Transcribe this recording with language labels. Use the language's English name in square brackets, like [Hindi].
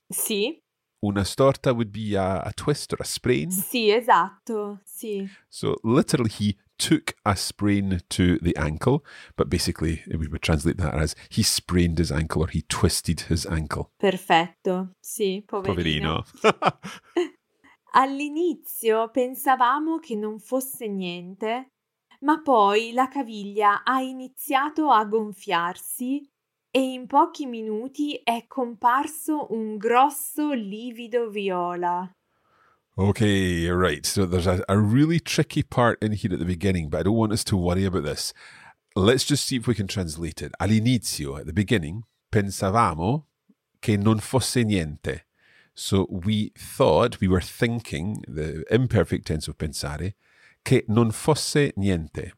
[English] See. [Italian] Una storta [English] would be a twist or a sprain. [Italian] Sì, esatto, sì. [English] So literally he took a sprain to the ankle, but basically we would translate that as he sprained his ankle or he twisted his ankle. [Italian] Perfetto, sì, poverino. All'inizio pensavamo che non fosse niente, ma poi la caviglia ha iniziato a gonfiarsi e in pochi minuti è comparso un grosso livido viola. [English] Okay, right. So there's a really tricky part in here at the beginning, but I don't want us to worry about this. Let's just see if we can translate it. [Italian] All'inizio, [English] at the beginning, [Italian] pensavamo che non fosse niente. [English] So we thought, we were thinking, the imperfect tense of pensare, [Italian] che non fosse niente.